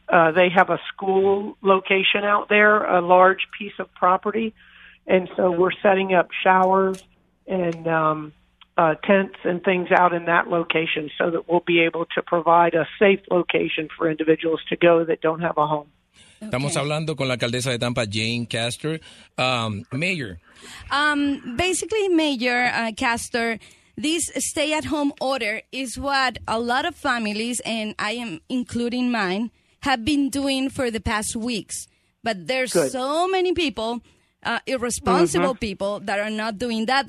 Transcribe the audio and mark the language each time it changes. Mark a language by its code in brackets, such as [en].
[en] They have a school location out there, a large piece of property. And so we're setting up showers and tents and things out in that location so that we'll be able to provide a safe location for individuals to go that don't have a home. Okay. [es] Estamos hablando con la alcaldesa de Tampa, Jane Castor. [en] Mayor. Basically, Mayor Castor, this stay-at-home order is what a lot of families, and I am including mine, have been doing for the past weeks. But there's so many people, irresponsible people, that are not doing that.